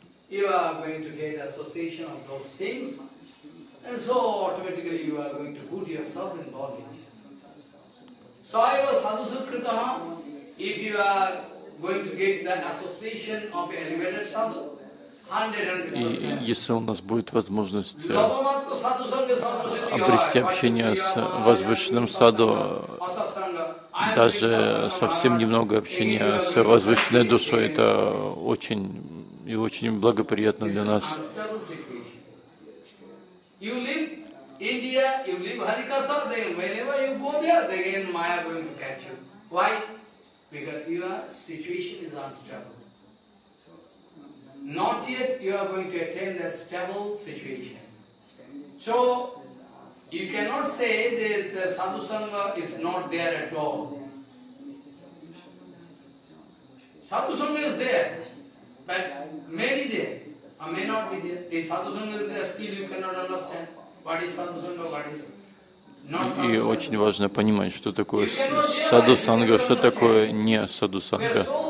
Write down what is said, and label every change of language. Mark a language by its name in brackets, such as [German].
[English] You are going to get association of those things, and so automatically you are going to put yourself in bondage. So I was sadhu sukritaha. If you are going to get the association of elevated sadhu, 100%. [Russian] И если у нас будет возможность обрести общение с возвышенным саду, даже совсем немного общения с возвышенной душой, это очень и очень благоприятно для нас. [English] Not yet you are going to attain that stable situation. So You cannot say that sadhu sangha is not there at all. Sadhu sangha is there, but may be there or may not be there. If sadhu sangha is there, still you cannot understand what is sadhu sangha, what is. [Russian] И очень важно понимать, что такое садху-санга, что такое не садху-санга.